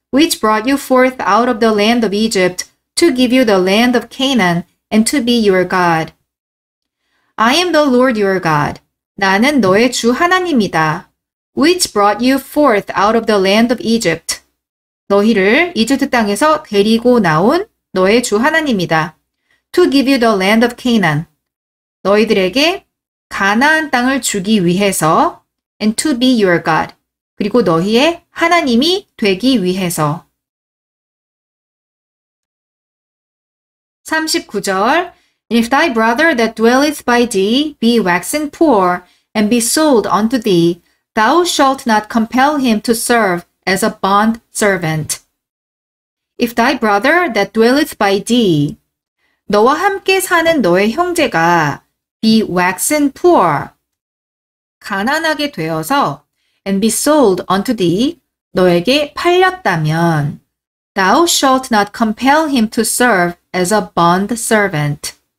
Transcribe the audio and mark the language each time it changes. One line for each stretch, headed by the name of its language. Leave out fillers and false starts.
English: which brought you forth out of the land of Egypt to give you the land of Canaan and to be your God. I am the Lord your God.
Korean: 나는 너의 주 하나님이다.
English: Which brought you forth out of the land of Egypt.
Korean: 너희를 이집트 땅에서 데리고 나온 너의 주 하나님이다.
English: To give you the land of Canaan.
Korean: 너희들에게 가나안 땅을 주기 위해서
English: and to be your God.
Korean: 그리고 너희의 하나님이 되기 위해서.
English: 39절 If thy brother that dwelleth by thee be waxen poor and be sold unto thee, thou shalt not compel him to serve as a bond servant. If thy brother that dwelleth by thee,
Korean: 너와 함께 사는 너의 형제가
English: be waxen poor,
Korean: 가난하게 되어서
English: and be sold unto thee,
Korean: 너에게 팔렸다면
English: thou shalt not compel him to serve as a bond servant.